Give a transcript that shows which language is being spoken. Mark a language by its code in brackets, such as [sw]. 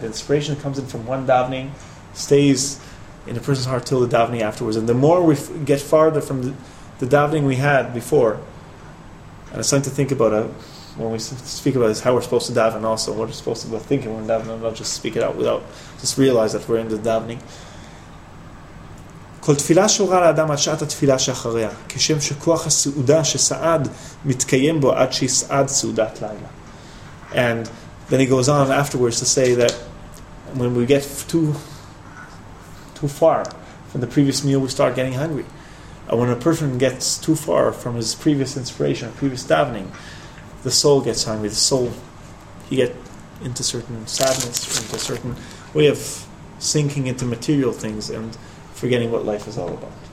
[en] The inspiration comes in from one davening, stays in a person's heart till the davening afterwards. And the more we get farther from the davening we had before, and it's something to think about when we speak about this, how we're supposed to daven also, what we're supposed to be thinking when we're davening, not just speak it out without just realize that we're in the davening. [he] כל תפילה שורה לאדם עד שעת התפילה שאחריה, כשם שכוח הסעודה שסעד מתקיים בו עד שיסעד סעודת לילה. [en] And then he goes on afterwards to say that when we get too far from the previous meal, we start getting hungry. And when a person gets too far from his previous inspiration, previous davening, the soul gets hungry. The soul, he gets into certain sadness, into a certain way of sinking into material things and forgetting what life is all about.